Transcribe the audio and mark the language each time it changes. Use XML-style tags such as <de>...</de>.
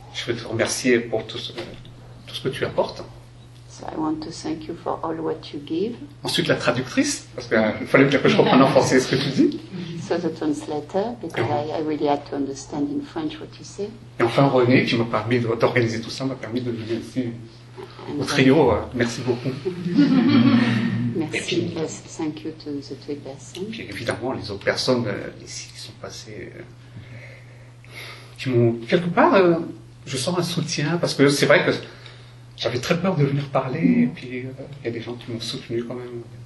<fr>Je veux te remercier pour tout ce que tu apportes.</fr> <en>So I want to thank you for all what you give.</en> <fr>Ensuite la traductrice, parce qu'il fallait bien que je reprenne en français ce que tu dis.</fr> <en>So the translator, because I really had to understand in French what you say.</en> <fr>Et enfin René, qui m'a permis d'organiser tout ça, m'a permis de venir ici au trio. Merci beaucoup. Merci. Et puis,</fr> <en>thank you to the three persons.</en> <fr>Puis évidemment les autres personnes ici qui sont passées, qui m'ont quelque part, je sens un soutien, parce que c'est vrai que j'avais très peur de venir parler, et puis il y a des gens qui m'ont soutenu quand même.</fr>